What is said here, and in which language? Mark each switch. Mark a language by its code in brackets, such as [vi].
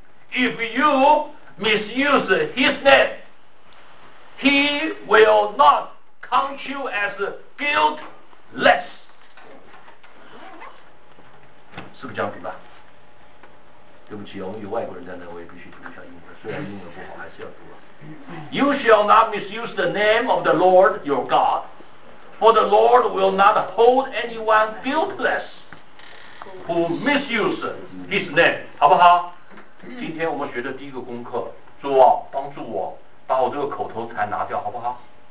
[en] If you misuse his name， he will not count you as guiltless。 [zh] 是不是这样读的？对不起，我们有外国人在那，我也必须读一下英文，虽然英文不好还是要读了。 [en] You shall not misuse the name of the Lord your God， for the Lord will not hold anyone guiltless who misuse his name， [zh] 好不好？今天我们学的第一个功课，主啊，帮助我把我这个口头禅拿掉，好不好？